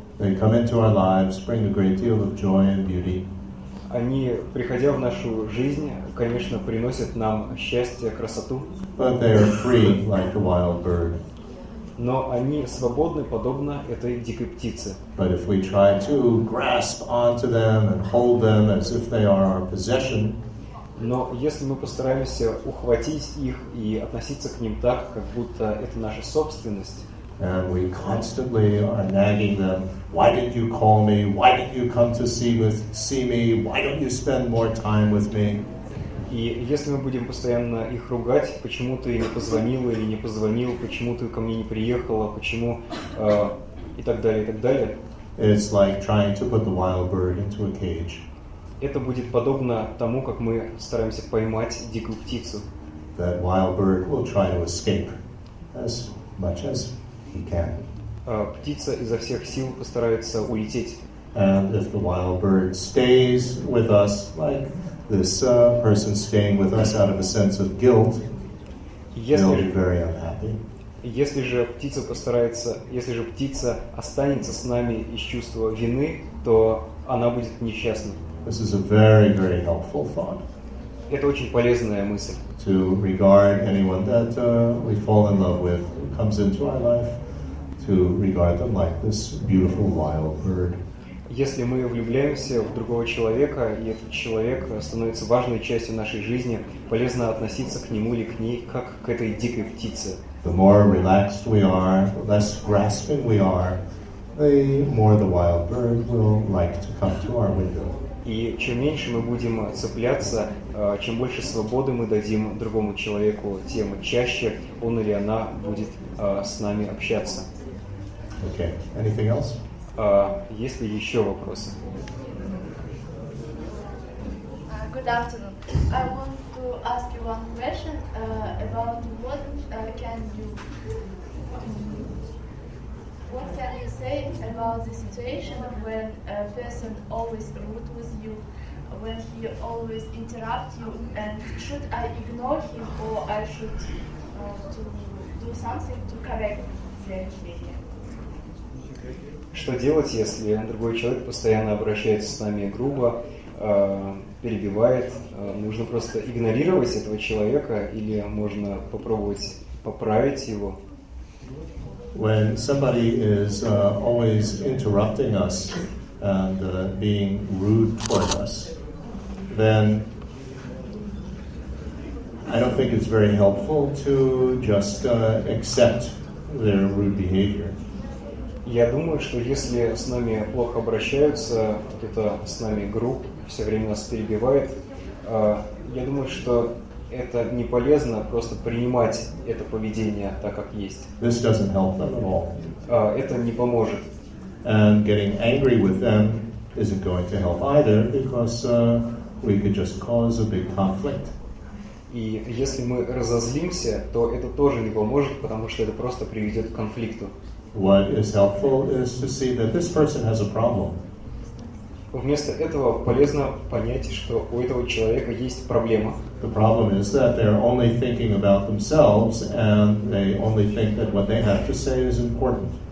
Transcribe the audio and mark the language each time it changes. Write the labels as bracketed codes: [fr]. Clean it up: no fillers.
[en] They come into our lives, bring a great deal of joy and beauty. [ru] Они, приходя в нашу жизнь, конечно, приносят нам счастье, красоту. [en] But they are free like a wild bird. [ru] Но они свободны, подобно этой дикой птице. [en] But if we try to grasp onto them and hold them as if they are our possession, [ru] но если мы постараемся ухватить их и относиться к ним так, как будто это наша собственность, [en] and we constantly are nagging them, why didn't you call me? Why didn't you come to see me? Why don't you spend more time with me? [ru] И если мы будем постоянно их ругать, почему ты не позвонила или не позвонил, почему ты ко мне не приехала, почему и так далее. [en] It's like trying to put the wild bird into a cage. [ru] Это будет подобно тому, как мы стараемся поймать дикую птицу. [en] That wild bird will try to escape as much as he can. [ru] Птица изо всех сил постарается улететь. [en] And if the wild bird stays with us, like this person staying with us out of a sense of guilt, they'll be very unhappy. [ru] Если же птица останется с нами из чувства вины, то она будет несчастна. [en] This is a very, very helpful thought. [ru] Это очень полезная мысль. [en] To regard anyone that we fall in love with who comes into our life, to regard them like this beautiful wild bird. [ru] Если мы влюбляемся в другого человека, и этот человек становится важной частью нашей жизни, полезно относиться к нему или к ней, как к этой дикой птице. [en] The more relaxed we are, the less grasping we are, the more the wild bird will like to come to our window. [ru] И чем меньше мы будем цепляться, чем больше свободы мы дадим другому человеку, тем чаще он или она будет с нами общаться. [en] Okay, anything else? [ru] Есть ли еще вопросы? [en] Good afternoon. I want to ask you one question about what can you say about the situation when a person always rude with you, when he always interrupts you, and should I ignore him or I should to do something to correct the behavior? [ru] Что делать, если другой человек постоянно обращается с нами грубо, перебивает? Нужно просто игнорировать этого человека или можно попробовать поправить его? [en] When somebody is always interrupting us and being rude toward us, then I don't think it's very helpful to just accept their rude behavior. [ru] Я думаю, что если с нами плохо обращаются, кто-то с нами груб, все время нас перебивает, я думаю, что это не полезно просто принимать это поведение так, как есть. [en] This doesn't help them at all. [ru] Это не поможет. [en] And getting angry with them isn't going to help either, because we could just cause a big conflict. [ru] И если мы разозлимся, то это тоже не поможет, потому что это просто приведет к конфликту. [en] What is helpful is to see that this person has a problem. [ru] Вместо этого полезно понять, что у этого человека есть проблема. [en] The problem is that they're only thinking about themselves and they only think that what they have to say is important.